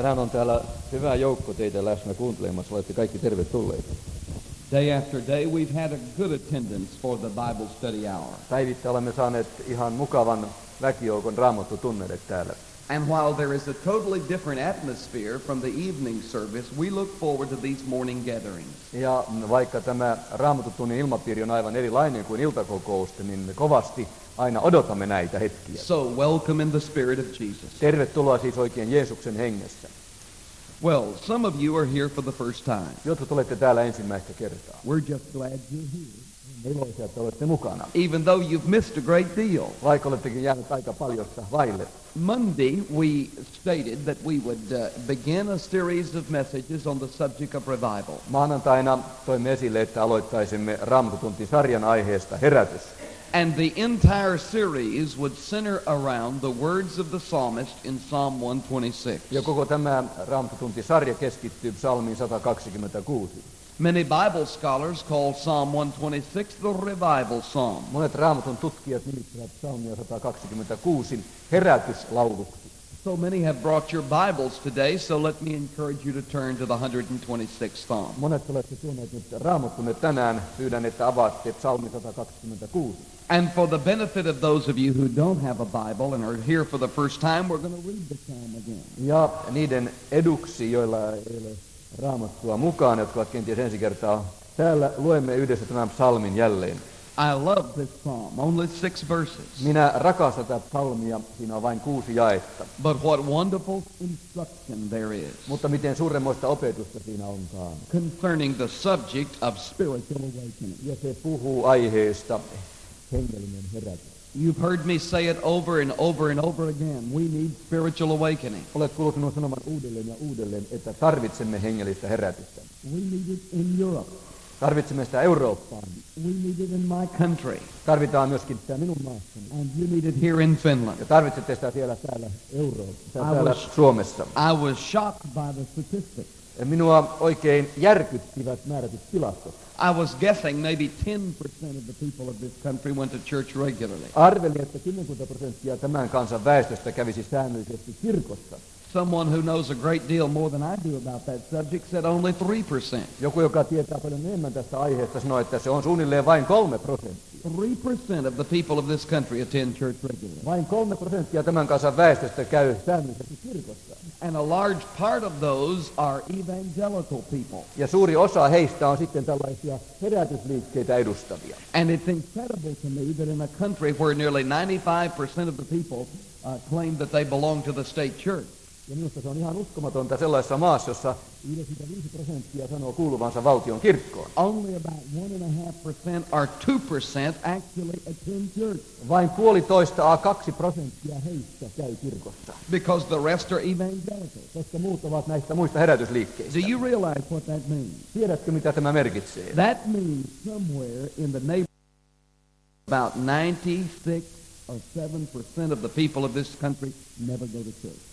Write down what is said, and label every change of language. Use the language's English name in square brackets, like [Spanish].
[Finnish] Tänään on täällä hyvä joukko teitä läsnä kuuntelemassa. Olette kaikki tervetulleita. [English] Day after day we've had a good attendance for the Bible study hour. [Finnish] Päivittäin olemme saaneet ihan mukavan väkijoukon raamattutunneille täällä. [English] And while there is a totally different atmosphere from the evening service, we look forward to these morning gatherings. [Finnish] Ja vaikka tämä raamattutunnin ilmapiiri on aivan erilainen kuin iltakokousten, niin me kovasti aina odotamme näitä hetkiä. [English] So welcome in the spirit of Jesus. [Finnish] Tervetuloa siis oikein Jeesuksen hengessä. [English] Well, some of you are here for the first time. [Finnish] Jotkut olette täällä ensimmäistä kertaa. [English] We're just glad you're here. [Finnish] Iloisia, että olette mukana. [English] Even though you've missed a great deal. [Finnish] Vaikka olettekin jäänyt aika paljosta vaille. [English] Monday we stated that we would begin a series of messages on the subject of revival. [Finnish] Maanantaina toimme esille, että aloittaisimme raamattutuntisarjan aiheesta herätys. [English] And the entire series would center around the words of the psalmist in Psalm 126. [Finnish] Ja koko tämä raamattutuntisarja keskittyy psalmiin 126. [English] Many Bible scholars call Psalm 126 the revival psalm. [Finnish] Monet raamatun tutkijat nimittävät psalmia 126 herätyslauluksi. [English] So many have brought your Bibles today, so let me encourage you to turn to the 126th psalm. [Finnish] Monet olette tuoneet nyt raamattunne tänään, pyydän, että avaatte psalmi 126. [English] And for the benefit of those of you who don't have a Bible and are here for the first time, we're going to read the psalm again. [Finnish] Ja niiden eduksi, joilla ei ole raamattua mukaan, jotka ovat kenties ensi kertaa täällä, luemme yhdessä tämän psalmin jälleen. [English] I love this psalm, only 6 verses. [Finnish] Minä rakastan tätä psalmia, siinä on vain 6 jaetta. [English] But what wonderful instruction there is. [Finnish] Mutta miten suuremmoista opetusta siinä onkaan. [English] Concerning the subject of spiritual awakening. [Finnish] Ja se puhuu aiheesta hengellinen herätys. [English] You've heard me say it over and over and over again. We need spiritual awakening. [Finnish] Olet kuullut minua sanomaan uudelleen ja uudelleen, että tarvitsemme hengellistä herätystä. [English] We need it in Europe. [Finnish] Tarvitsemme sitä Eurooppaan. [English] We need it in my country. [Finnish] Tarvitaan myöskin sitä minun maassani. [English] And you need it here in Finland. [Finnish] Ja tarvitsette sitä siellä täällä Euroopassa, täällä Suomessa. [English] I was shocked by the statistics. [Finnish] Ja minua oikein järkyttivät määrätyt tilastot. [English] I was guessing maybe 10% of the people of this country went to church regularly. [Finnish] Arvelin, että 10% tämän kansan väestöstä kävisi säännöllisesti kirkossa. [English] Someone who knows a great deal more than I do about that subject said only 3%. [Finnish] Joku, joka tietää paljon enemmän tästä aiheesta, sanoi, että se on suunnilleen vain 3%. [English] 3% of the people of this country attend church regularly. [Finnish] Vain 3% tämän kansan väestöstä käy säännöllisesti kirkossa. [English] And a large part of those are evangelical people. [Finnish] Ja suuri osa heistä on sitten tällaisia herätysliikkeitä edustavia. [English] And it's incredible to me that in a country where nearly 95% of the people claim that they belong to the state church. [Finnish] Ja minusta se on ihan uskomatonta sellaisessa maassa, jossa 95% sanoo kuuluvansa valtion kirkkoon. [English] Only about 1.5% or 2% actually attend church. [Finnish] Vain 1.5–2% heistä käy kirkossa. [English] Because the rest are evangelical. [Finnish] Koska muut ovat näistä muista herätysliikkeistä. [English] Do you realize what that means? [Finnish] Tiedätkö, mitä tämä merkitsee? [English] That means somewhere in the neighborhood about 96% or 97% of the people of this country never go to church.